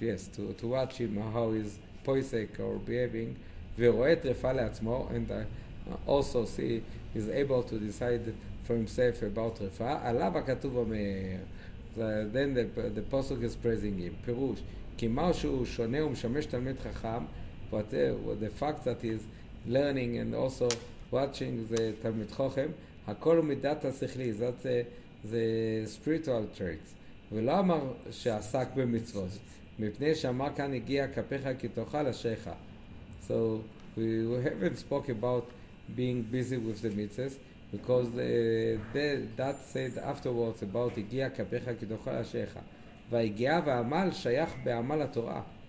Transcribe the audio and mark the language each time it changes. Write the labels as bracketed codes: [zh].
[en] yes, to watch him, how is poisek or behaving, [he] ורואה טריפה לעצמו, [en] and also see, is able to decide for himself about טריפה, [he] עליו הכתוב אומר, [en] then the pasuk is praising him, [he] פירוש, כי מה שהוא שונה ומשמש תלמיד חכם, [en] but the fact that he is learning and also watching the Talmid Chochem, [he] הכל הוא מידת השכלי, [en] that's the spiritual traits. [he] ולא אמר שעסק במצוות, מפני שאמר כאן הגיע כפיך כי תאכל אשריך. [en] So we haven't spoke about being busy with the mitzvahs, because that said afterwards about [he] הגיע כפיך כי תאכל אשריך. והגיע והעמל שייך בעמל התורה.